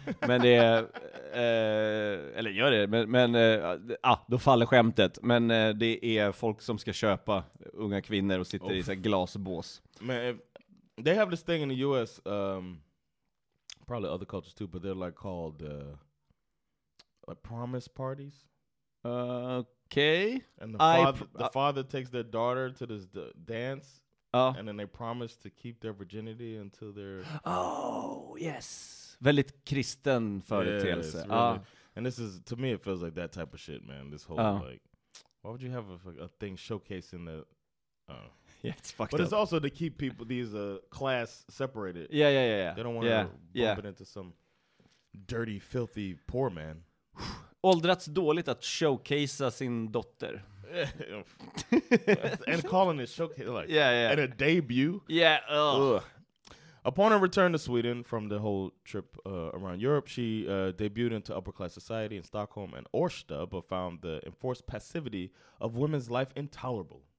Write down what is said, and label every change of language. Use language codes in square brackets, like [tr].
[sv] Men det eller gör det, men då faller skämtet. Men det är folk som ska köpa unga kvinnor och sitter i så här glasbås. [en] Men they have this thing in the US, probably other cultures too, but they're like called like promise parties. Okay. And the father takes their daughter to this dance. Oh. And then they promise to keep their virginity until they're... Oh, yes. [sv] Väldigt kristen företeelse. [en] Yeah, really. And this is, to me, it feels like that type of shit, man. This whole, like, why would you have a thing showcasing that? Yeah, it's fucked but But it's also to keep people, these class separated. Yeah. They don't want to bump it into some dirty, filthy poor man. [sv] Åldrats dåligt att showcasea sin dotter. [en] And calling it showcase, like, yeah. And a debut. Yeah. Ugh. Upon her return to Sweden from the whole trip around Europe, she debuted into upper class society in Stockholm and Orsta, but found the enforced passivity of women's life intolerable.